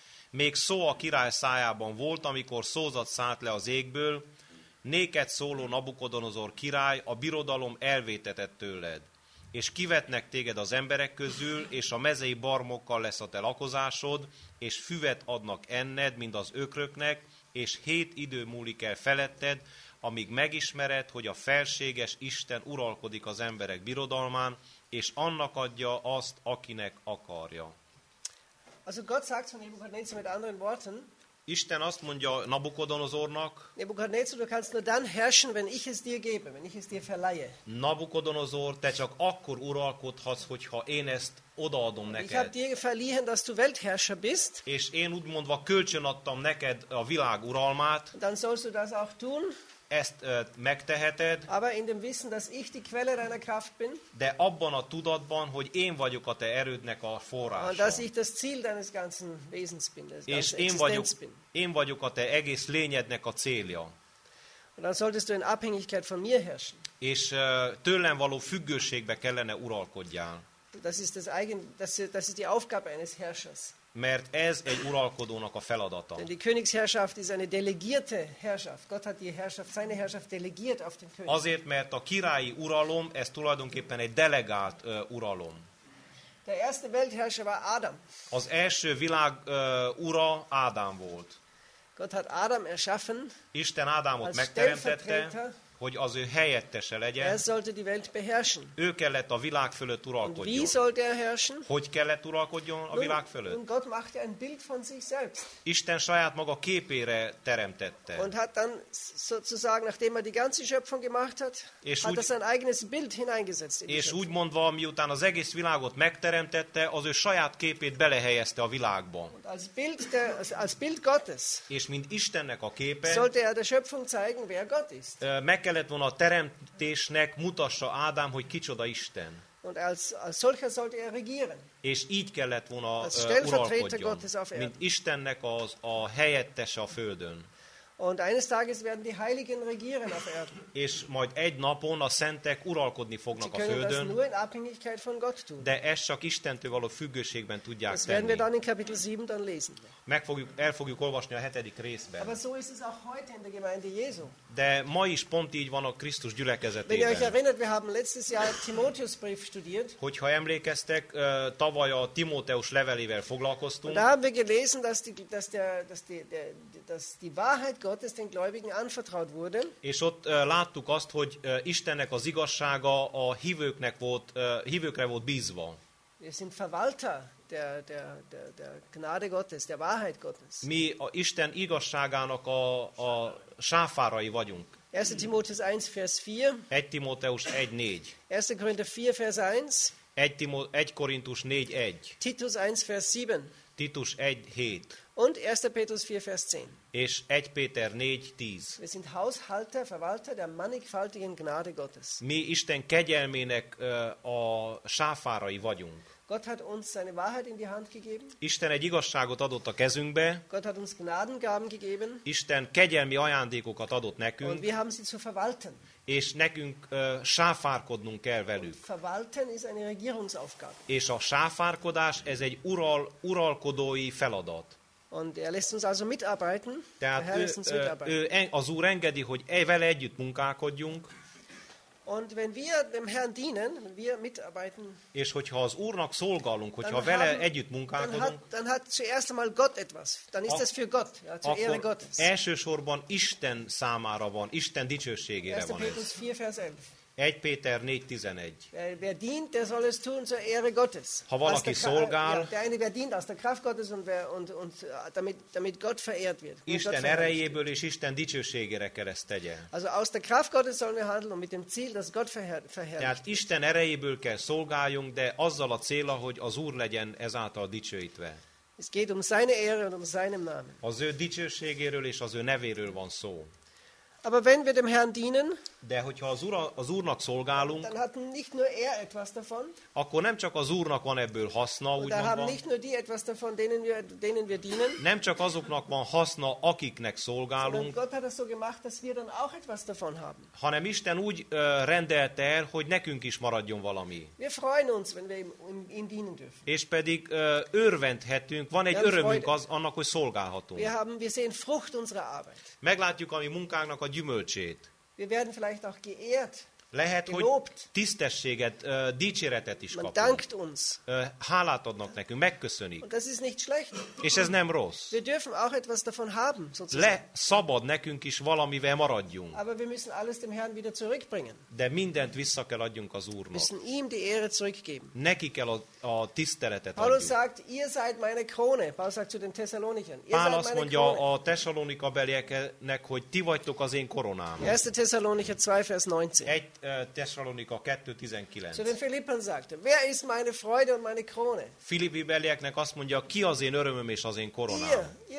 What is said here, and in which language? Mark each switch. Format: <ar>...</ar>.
<hu>Még szó a király szájában volt, amikor szózat szállt le az égből, néked szóló Nabukodonozor király, a birodalom elvétetett tőled, és kivetnek téged az emberek közül, és a mezei barmokkal lesz a te lakozásod, és füvet adnak enned, mint az ökröknek, és 7 idő múlik el feletted, amíg megismered, hogy a felséges Isten uralkodik az emberek birodalmán, és annak adja azt, akinek akarja.</hu> <de>Also Gott sagt von Nebukadnezar mit anderen Worten.</de> <hu>Isten azt mondja Nabukodonozornak.</hu> <de>Nebukadnezar, du kannst nur dann herrschen, wenn ich es dir gebe, wenn ich es dir verleihe.</de> <hu>Nabukodonozor, te csak akkor uralkodhatsz, hogyha én ezt odaadom neked.</hu> <de>Ich habe dir verliehen, dass du Weltherrscher bist.</de> <hu>És én úgymondva kölcsön adtam neked a világ uralmát.</hu> <de>Dann sollst du das auch tun.</de> <hu>Ezt megteheted.</hu> <de>Aber in dem Wissen, dass ich die Quelle deiner Kraft bin.</de> <hu>De abban a tudatban, hogy én vagyok a te erődnek a forrása.</hu> <de>Und dass ich das Ziel deines ganzen Wesens bin, deines ganzen Existenz bin.</de> <hu>Én vagyok a te egész lényednek a célja.</hu> <de>Und dann solltest du in Abhängigkeit von mir herrschen.</de> <hu>És tőlem való függőségbe kellene uralkodjál.</hu> <de>Das ist die Aufgabe eines Herrschers.</de> <hu>Mert ez egy uralkodónak a feladata.</hu> <de>Denn die Königsherrschaft ist eine delegierte Herrschaft. Gott hat die Herrschaft, seine Herrschaft delegiert auf den König.</de> <hu>Azért, mert a királyi uralom, ez tulajdonképpen egy delegált uralom.</hu> <de>Der erste Weltherrscher war Adam.</de> <hu>Az első világ ura Ádám volt.</hu> <de>Gott hat Adam erschaffen.</de> <hu>Isten Ádámot megteremtette, hogy az ő helyettese legyen.</hu> <de>Er sollte die Welt beherrschen.</de> <hu>Ő kellett a világ fölött uralkodjon.</hu> <de>Und wie sollte er herrschen?</de> <hu>Hogy kellett uralkodjon a világ fölött?</hu> <de>Und Gott machte ein Bild von sich selbst.</de> <hu>Isten saját maga képére teremtette.</hu> <de>Und hat dann sozusagen, nachdem er die ganze Schöpfung gemacht hat, hat er sein eigenes Bild hineingesetzt.</de> <hu>És úgy mondva, miután az egész világot megteremtette, az ő saját képét belehelyezte a világba.</hu> <de>Und als Bild Gottes.</de> <hu>És mint Istennek a képe.</hu> <de>Sollte er der Schöpfung zeigen, wer Gott ist.</de> <hu>Meg kellett volna a teremtésnek mutassa Ádám, hogy kicsoda Isten.</hu> <de>Und als solcher sollte er regieren.</de> <hu>És így kellett volna uralkodjon, mint Istennek az a helyettese a Földön.</hu> <de>Und eines Tages werden die Heiligen regieren auf Erden.</de> <hu>És majd egy napon a szentek uralkodni fognak a Földön.</hu> <de>Sie können das nur in Abhängigkeit von Gott tun.</de> <hu>De ezt csak Istentől való függőségben tudják tenni.</hu> <de>Das werden wir dann in Kapitel 7 dann lesen.</de> <hu>El fogjuk olvasni a hetedik részben.</hu> <de>Aber so ist es auch heute in der Gemeinde Jesu.</de> <hu>De ma is pont így van a Krisztus gyülekezetében.</hu> <de>Wenn ihr euch erinnert, wir haben letztes Jahr Timotheus Brief studiert.</de> <hu>Hogyha emlékeztek, tavaly a Timóteus levelével foglalkoztunk.</hu> <de>Und da haben wir gelesen, dass die Wahrheit Gottes den Gläubigen anvertraut wurde.</de> <hu>És ott láttuk azt, hogy Istennek az igazsága a hívőkre volt bízva.</hu> <de>Wir sind Verwalter der Gnade Gottes, der Wahrheit Gottes.</de> <hu>Mi a Isten igazságának a sáfárai vagyunk.</hu> <de>1. Timóteus 1, Vers 4.</de> <hu>1. Timóteus 1, 4.</hu> <de>1. Korinther 4, Vers 1.</de> <hu>1. Korintus 4, 1.</hu> <de>Titus 1, Vers 7.</de> <hu>Titus 1, 7.</hu> <de>Und 1. Petrus 4, Vers 10.</de> <hu>És 1. Péter 4, 10.</hu> <de>Wir sind Haushalter, Verwalter der mannigfaltigen Gnade Gottes.</de> <hu>Mi Isten kegyelmének a sáfárai vagyunk.</hu> <de>Gott hat uns seine Wahrheit in die Hand gegeben.</de> <hu>Isten egy igazságot adott a kezünkbe.</hu> <de>Gott hat uns Gnadengaben gegeben.</de> <hu>Isten kegyelmi ajándékokat adott nekünk.</hu> <de>Und wir haben sie zu verwalten.</de> <hu>És nekünk sáfárkodnunk kell velük.</hu> <de>Und verwalten ist eine Regierungsaufgabe.</de> <hu>És a sáfárkodás, ez egy uralkodói feladat.</hu> <de>Und er lässt uns also mitarbeiten.</de> <hu>Tehát</hu> <de>Herr lässt uns mitarbeiten.</de> <hu>Az Úr engedi, hogy vele együtt munkálkodjunk.</hu> <de>Und wenn wir dem Herrn dienen, wir mitarbeiten.</de> <hu>És hogyha az Úrnak szolgálunk, hogyha vele együtt munkálkodunk,</hu> <de>dann hat zuerst einmal Gott etwas. Dann ist das für Gott, ja, zur Ehre Gottes.</de> <hu>Elsősorban Isten számára van, Isten dicsőségére van ez.</hu> <de>4, Vers 11.</de> <hu>1. Péter 4:11.</hu> <de>Wer dient, der soll es tun zur Ehre Gottes.</de> <hu>Ha valaki szolgál,</hu> <de>ja, der eine, wer dient aus der Kraft Gottes und damit Gott verehrt wird.</de> <hu>Isten erejéből és Isten dicsőségére kereszt tegye.</hu> <de>Also aus der Kraft Gottes sollen wir handeln und mit dem Ziel, dass Gott verherrlicht.</de> <hu>Tehát Isten erejéből kell szolgáljunk, de azzal a célra, hogy az Úr legyen ezáltal dicsőítve.</hu> <de>Es geht um seine Ehre und um seinen Namen.</de> <hu>Az ő dicsőségéről és az ő nevéről van szó.</hu> <de>Aber wenn wir dem Herrn dienen,</de> <hu>de hogyha az Úrnak szolgálunk,</hu> <de>dann hat nicht nur er etwas davon,</de> <hu>akkor nem csak az Úrnak van ebből haszna, úgymondva.</hu> <de>Da haben nicht nur die etwas davon, denen wir dienen.</de> <hu>Nem csak azoknak van haszna, akiknek szolgálunk.</hu> <de>Gott hat das so gemacht, dass wir dann auch etwas davon haben.</de> <hu>Hanem Isten úgy rendelte el, hogy nekünk is maradjon valami.</hu> <de>Wir freuen uns, wenn wir ihm dienen dürfen.</de> <hu>És pedig örvendhetünk, van egy örömünk az annak, hogy szolgálhatunk.</hu> <de>Wir sehen Frucht unserer Arbeit.</de> <hu>Meglátjuk a mi munkánknak a gyümölcsét.</hu> <de>Wir werden vielleicht auch geehrt,</de> <hu>lehet,</hu> <de>gelobt.</de> <hu>Hogy tisztességet, dicséretet is kapunk.</hu> <de>Man dankt uns.</de> <hu>Hálát adnak nekünk, megköszönik.</hu> <de>Und das ist nicht schlecht.</de> <hu>És ez nem rossz.</hu> <de>Wir dürfen auch etwas davon haben, sozusagen.</de> <hu>Szabad nekünk is valamivel maradjunk.</hu> <de>Aber wir müssen alles dem Herrn wieder zurückbringen.</de> <hu>De mindent vissza kell adjunk az Úrnak.</hu> <de>Müssen ihm die Ehre zurückgeben.</de> <hu>Neki kell a tiszteletet</hu> <de>Paulus</de> <hu>adjuk.</hu> <de>Sagt, ihr seid meine Krone. Paul sagt zu den Thessalonikern.</de> <hu>Pál azt mondja a Tessalonika belieknek, hogy ti vagytok az én koronám.</hu> <de>1. Thessalonicher 2, Vers 19.</de> <hu>1. Thessalonika 2:19.</hu> <de>Zu den Philippern sagte, wer ist meine Freude und meine Krone?</de> <hu>Filippi belieknek azt mondja, ki az én örömöm és az én koronám.</hu>